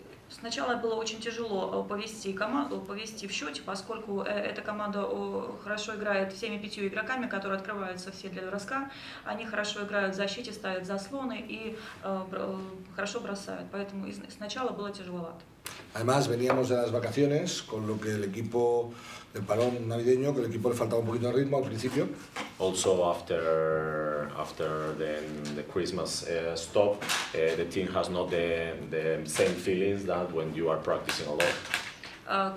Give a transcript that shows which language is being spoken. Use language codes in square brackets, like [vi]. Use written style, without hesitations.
[ru] Сначала было очень тяжело повести команду, повести в счете, поскольку эта команда хорошо играет всеми 5 игроками, которые открываются все для броска. Они хорошо играют в защите, ставят заслоны и хорошо бросают. Поэтому сначала было тяжеловато. [es] Además, veníamos de las vacaciones, con lo que el equipo del parón navideño, que el equipo le faltaba un poquito de ritmo al principio. [en] Also after the Christmas stop, the team has not the same feelings that when you are practicing a lot.